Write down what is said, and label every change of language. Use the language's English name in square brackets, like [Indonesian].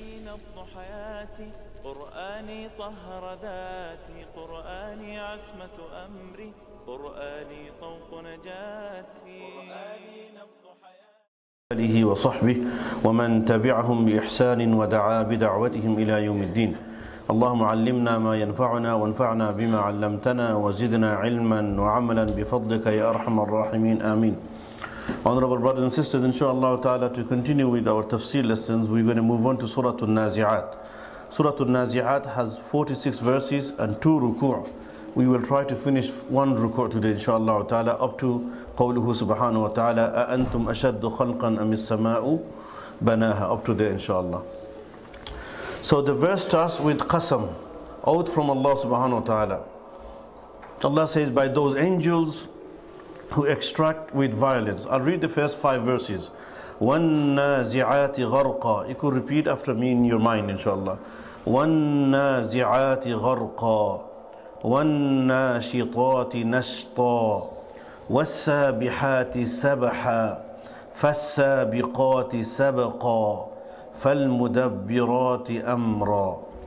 [Arabic] بطن حياتي، قرآني طهر ذاتي، قرآني عصمة أمري، قرآني طوق نجاتي، قرآني نبض حياتي. آله وصحبه ومن تبعهم بإحسان ودعا بدعوتهم إلى يوم الدين. اللهم علمنا ما ينفعنا وانفعنا بما علمتنا وزدنا علما وعملا بفضلك يا أرحم الراحمين. آمين. [English] Honorable brothers and sisters, inshallah ta'ala, to continue with our tafsir lessons, we're going to move on to Surah Al-Nazi'at. Surah Al-Nazi'at has 46 verses and 2 ruku'. We will try to finish one ruku' today, inshallah ta'ala, up to qawluhu subhanahu wa ta'ala, [Arabic] أَأَنْتُمْ أَشَدُّ خَلْقًا أَمِ السَّمَاءُ بَنَاهَا, [English] up to there, inshallah. So the verse starts with qasam, oath from Allah subhanahu wa ta'ala. Allah says, by those angels who extract with violence. I'll read the first 5 verses. [Arabic] وَالنَّازِعَاتِ غَرْقًا. [English] You could repeat after me in your mind, inshallah. [Arabic] وَالنَّازِعَاتِ غَرْقًا. والناشطات نشطا والسابحات سبحا فالسابقات سبقا فالمدبرات أمرا.